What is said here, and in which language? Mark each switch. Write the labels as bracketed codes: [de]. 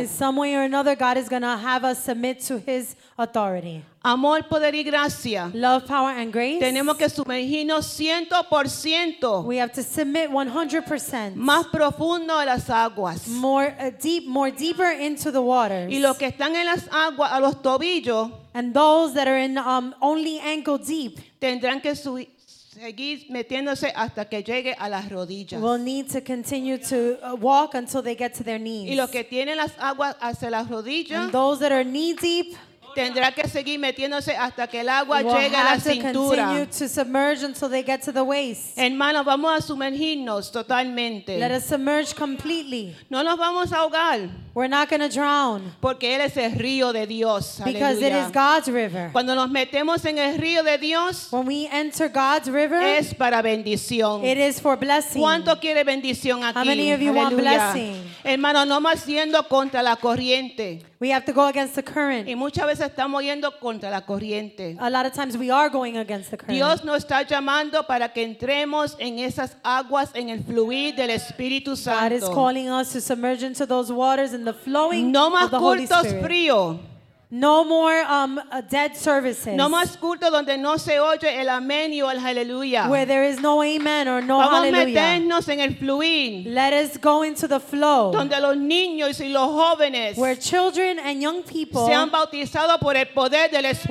[en] In some way or another, God is going to have us submit to His authority. [es] Amor, poder y gracia. [en] Love, power, and grace. [es] Tenemos que sumergirnos 100%. [en] We have to submit 100%. [es] Más profundo a las aguas. [en] More deeper into the waters. [es] Y los que están en las aguas a los tobillos. [en] And those that are in only ankle deep. [es] Tendrán que seguir metiéndose hasta que llegue a las rodillas. [en] Will need to continue to walk until they get to their knees. [es] Y los que tienen las aguas hacia las rodillas. [en] And those that are knee deep. [es] Tendrá que seguir metiéndose hasta que el agua llegue a la cintura. [en] Will have to continue to submerge until they get to the waist. [es] Hermanos, vamos a sumergirnos totalmente. [en] Let us submerge completely. [es] No nos vamos a ahogar. [en] We're not going to drown. [es] Porque él es el río de Dios. [en] Because [es] Aleluya. [en] It is God's river. [es] Cuando nos metemos en el río de Dios, [en] when we enter God's river, [es] es para bendición. [en] It is for blessing. [es] ¿Cuánto quiere bendición aquí? [en] How many of you [es] Aleluya. [en] Want blessing? [es] Hermanos, no más yendo contra la corriente. [en] We have to go against the current. [es] Y muchas veces estamos yendo contra la corriente. [en] A lot of times we are going against the current. [es] Dios nos está llamando para que entremos en esas aguas en el fluir del Espíritu Santo. [en] God is calling us to submerge into those waters in the flowing [es] no [en] of the Holy Spirit. [es] Frío. [en] No more dead services. [es] No más culto donde no se oye el amén y el aleluya. [en] Where there is no amen or no [es] vamos [en] hallelujah. [es] Meternos en el fluir. [en] Let us go into the flow. [es] Donde los niños y los jóvenes [en] where children and young people [es] sean bautizados por el poder del Espíritu